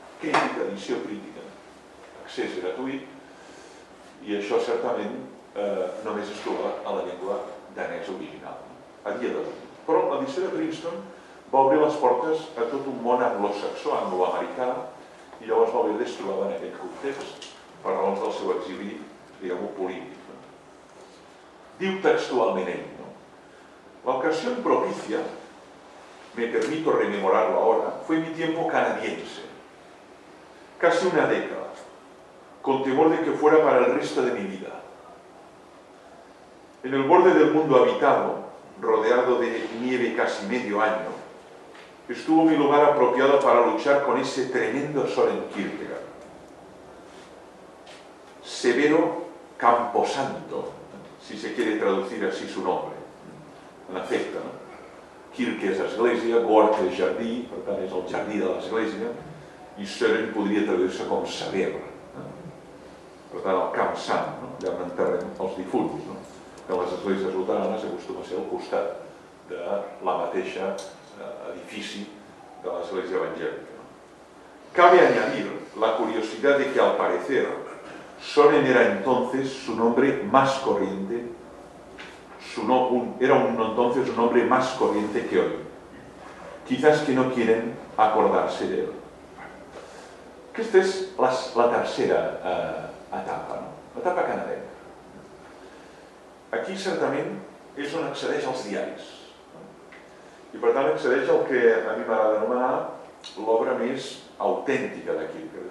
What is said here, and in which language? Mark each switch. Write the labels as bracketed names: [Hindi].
[Catalan] Crítica, edició crítica, accés gratuït, i això certament només es troba a la llengua danesa original, a dia d'avui. Però l'edició de Princeton va obrir les portes a tot un món anglosaxó, angloamericà, i llavors va haver de trobar en aquest context per raons del seu exili, diguem-ho, polític. Diu textualment ell, no? [Spanish] L'ocasión propicia, me permito rememorarlo ahora, fue mi tiempo canadiense, casi una década, con temor de que fuera para el resto de mi vida. En el borde del mundo habitado, rodeado de nieve casi medio año, estuvo mi lugar apropiado para luchar con ese tremendo Soren Kierkegaard. Severo Camposanto, si se quiere traducir así su nombre, [Catalan] en efecte, no? Kierke és església, Gort és jardí, per tant és el jardí de l'església, i Soren podria traduir-se com Sever, no? Per tant el camp sant, no? Allà on enterrem els difunts, no? Que les esglésies luteranes acostuma a ser al costat de la mateixa edifici de l'Església Evangèlica. [Spanish] Cabe añadir la curiosidad de que, al parecer, Soren era entonces su nombre más corriente, un nombre más corriente que hoy. Quizás que no quieren acordarse de él. [Catalan] Aquesta és la tercera etapa, no? L'etapa canadenca. Aquí, certament, és on accedeix als diaris. I per tant accedeix al que a mi m'agrada anomenar l'obra més autèntica de Kierkegaard.